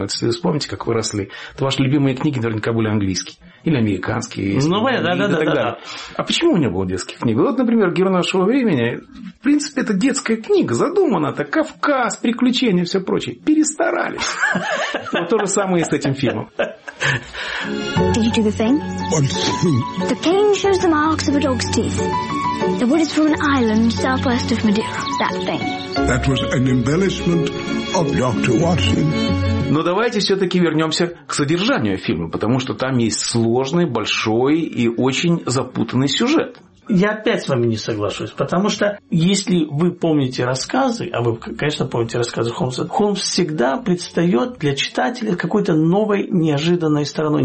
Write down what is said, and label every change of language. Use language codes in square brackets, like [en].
[ru] Вот если вы вспомните, как вы росли, то ваши любимые книги наверняка были английские. Или американские. Ну, да. А почему у него было детских книг? Вот, например, «Герой нашего времени», в принципе, это детская книга, задумана так, Кавказ, приключения, все прочее. Перестарались. То же самое и с этим фильмом. [en] Did you do the thing? The cane shows the marks of a dog's teeth. The wood is from an island southwest of Madeira. That thing. That was an embellishment of Dr. Watson. [ru] Но давайте все-таки вернемся к содержанию фильма, потому что там есть сложный, большой и очень запутанный сюжет. Я опять с вами не соглашусь, потому что если вы помните рассказы, а вы, конечно, помните рассказы Холмса, Холмс всегда предстает для читателя какой-то новой неожиданной стороной.